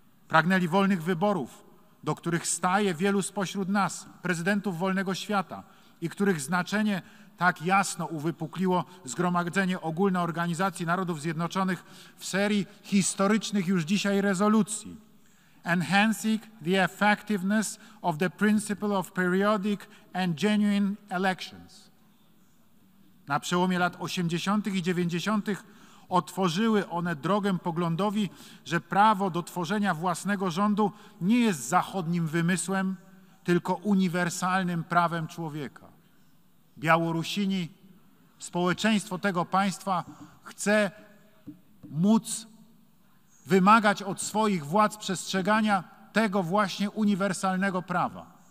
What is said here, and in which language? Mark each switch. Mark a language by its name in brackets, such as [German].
[Polish] Pragnęli wolnych wyborów, do których staje wielu spośród nas, prezydentów wolnego świata, i których znaczenie tak jasno uwypukliło Zgromadzenie Ogólne Organizacji Narodów Zjednoczonych w serii historycznych już dzisiaj rezolucji. [English] Enhancing the effectiveness of the principle of periodic and genuine elections. [Polish] Na przełomie lat 80. i 90. otworzyły one drogę poglądowi, że prawo do tworzenia własnego rządu nie jest zachodnim wymysłem, tylko uniwersalnym prawem człowieka. Białorusini, społeczeństwo tego państwa chce móc wymagać od swoich władz przestrzegania tego właśnie uniwersalnego prawa.